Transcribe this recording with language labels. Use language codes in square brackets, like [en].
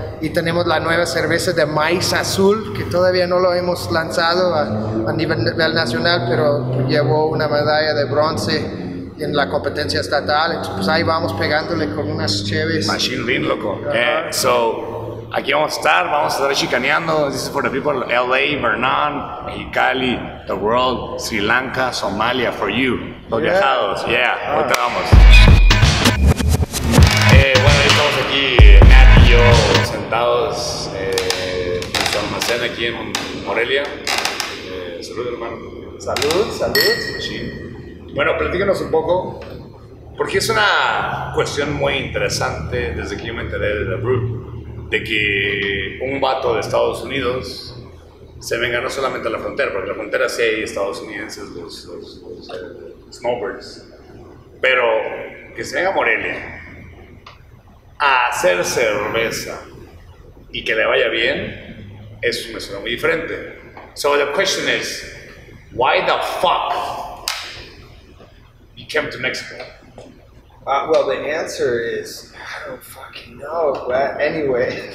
[es] Y tenemos la nueva cerveza de maíz azul, que todavía no lo hemos lanzado a nivel nacional, pero llevó una medalla de bronce en la competencia estatal. Entonces, pues ahí vamos pegándole con unas cheves. [en] Machine Lean, loco. So, [es] aquí vamos a estar, chicaneando. [en] This is for the people, LA, Vernon, Mexicali, the world, Sri Lanka, Somalia, for you. [es] Los viajados, ahorita vamos. Bueno, estamos aquí, Matt y yo, sentados en su almacén aquí en Morelia. Salud, hermano. Salud. Sí. Bueno, platícanos un poco, porque es una cuestión muy interesante desde que yo me enteré de The Brew, de que un vato de Estados Unidos se venga no solamente a la frontera, porque la frontera sí hay estadounidenses, los snowbirds, pero que se venga a Morelia a hacer cerveza y que le vaya bien, eso me suena muy diferente. [en] So the question is, why the fuck you came to Mexico? Well, the answer is, I don't fucking know, but anyway.